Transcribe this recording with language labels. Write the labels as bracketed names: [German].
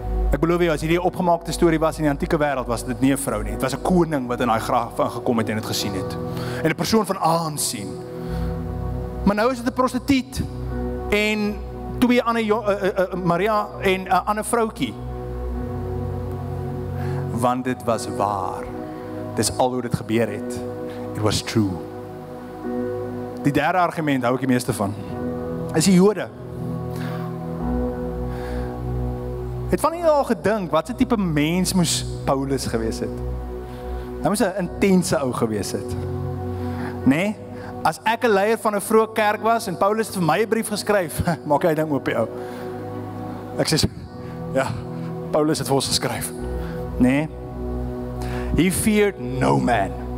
[Afrikaans] Ek beloof jy, as hierdie opgemaakte story was in die antieke wêreld, was dit nie 'n vrou nie. Het was 'n koning wat in haar graf ingekom het en het gesien het. En 'n persoon van aansien. Maar nou is dit 'n prostituut en twee ander Maria en 'n ander vroukie. Want dit was waar. Dis al hoe dit gebeur het. [English] It was true. [Afrikaans] Die derde argument hou ek die meeste van. Is die Jode. Het van hier al gedink, wat se type mens moes Paulus gewees het? Hy moes 'n intense ou gewees het. Nee, as ek 'n leier van 'n vroeë kerk was, en Paulus het vir my 'n brief geskryf, maak hy ding oop die ou. Ek sê, ja, Paulus het vir ons geskryf. Nee, [English] he feared no man.